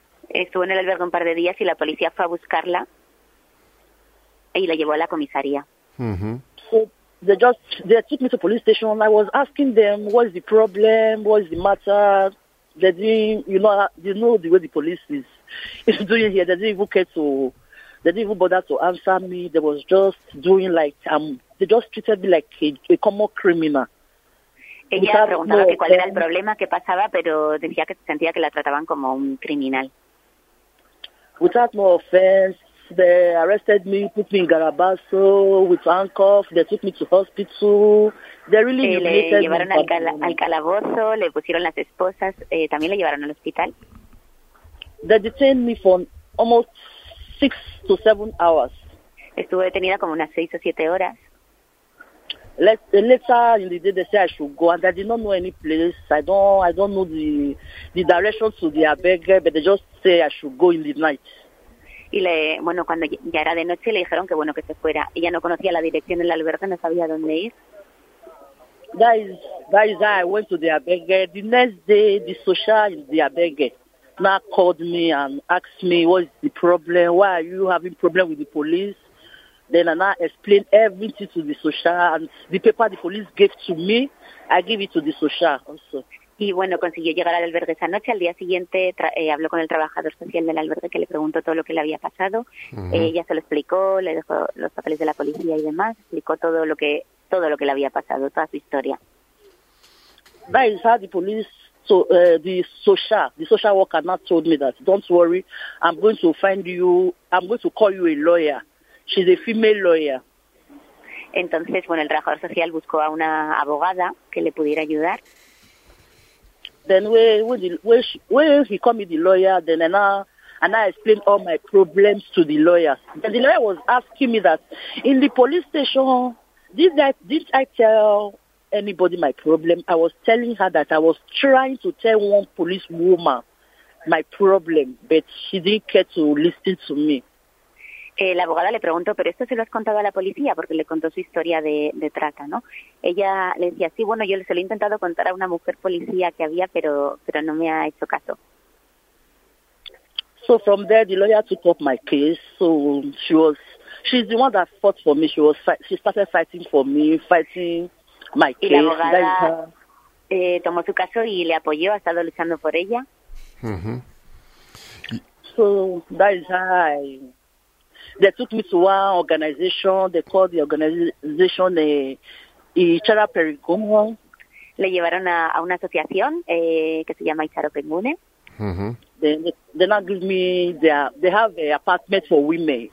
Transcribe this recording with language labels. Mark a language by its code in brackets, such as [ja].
[es] Estuvo en el albergue un par de días y la policía fue a buscarla y la llevó a la comisaría. [en] So they took me to police station and I was asking them, what is the problem, what is the matter? They didn't, you know the way the police is doing here. They didn't even bother to answer me. They was just doing like, they just treated me like a common criminal. [es] Ella preguntaba que cuál era el problema, qué pasaba, pero decía que sentía que la trataban como un criminal. [en] Without no offense, they arrested me, put me in Garabasso with handcuffs. They took me to hospital. They really humiliated me. [es] Llevaron al calabozo, le pusieron las esposas, también le llevaron al hospital. [en] They detained me for almost 6 to 7 hours. [es] Estuve detenida como unas 6 o 7 horas. [en] Later in the day, they said I should go, and I did not know any place. I don't know the direction to the albergue, but they just say I should go in the night. [es] Y le, bueno, cuando ya era de noche, le dijeron que bueno que se fuera. Ella no conocía la dirección del albergue, no sabía dónde ir. [en] That is how I went to the albergue. The next day, the social in the albergue now called me and asked me, what is the problem? Why are you having problem with the police? Then I now explain everything to the social, and the paper the police gave to me, I give it to the social also. [es] Y bueno, consiguió llegar al albergue esa noche. Al día siguiente habló con el trabajador social del albergue, que le preguntó todo lo que le había pasado. Ella se lo explicó, le dejó los papeles de la policía y demás, explicó todo lo que le había pasado, toda su historia. [en] That is how the police, the social worker now told me that, don't worry, I'm going to find you, I'm going to call you a lawyer. She's a female lawyer. [es] Entonces, bueno, el trabajador social buscó a una abogada que le pudiera ayudar. [en] Then when he called me the lawyer, then I now explained all my problems to the lawyer. Then the lawyer was asking me that, in the police station, did I tell anybody my problem? I was telling her that I was trying to tell one police woman my problem, but she didn't care to listen to me. [es] La abogada le preguntó, pero esto se lo has contado a la policía, porque le contó su historia de trata, ¿no? Ella le decía, sí, bueno, yo se lo he intentado contar a una mujer policía que había, pero no me ha hecho caso. [en] So from there, the lawyer took up my case. So she's the one that fought for me. She started fighting for me, fighting my case. [es] Y la abogada tomó su caso y le apoyó, ha estado luchando por ella. [en] So that is how they took me to one organization. They called the organization Icharo Perigumo. [es] Le llevaron a una asociación que se llama Icharo Perigumo. [en] They now give me they have an apartment for women.